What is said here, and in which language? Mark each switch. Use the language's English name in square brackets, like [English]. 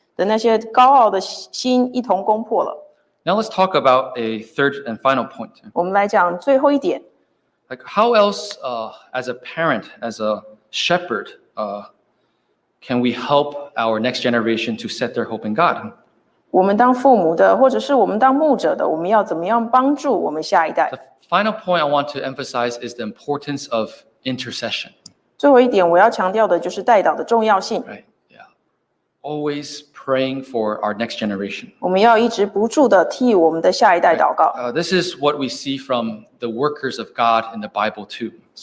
[Chinese] 那当神与我们同在，赐给我们智慧的时候，我们就可以将各样的计谋、各样拦阻人的认识神的那些高傲的心一同攻破了。 [English] Now let's talk about a third and final point. [Chinese] 我们来讲最后一点. [English] Like how else, as a parent, as a shepherd, can we help our next generation to set their hope in God? [Chinese] 我们当父母的，或者是我们当牧者的，我们要怎么样帮助我们下一代？ [English] The final point I want to emphasize is the importance of intercession. [Chinese] 最后一点我要强调的就是代祷的重要性。 [English] Right. Yeah. Always praying for our next generation. [Chinese] 我们要一直不住的替我们的下一代祷告。 [English] This is what we see from the workers of God in the Bible too.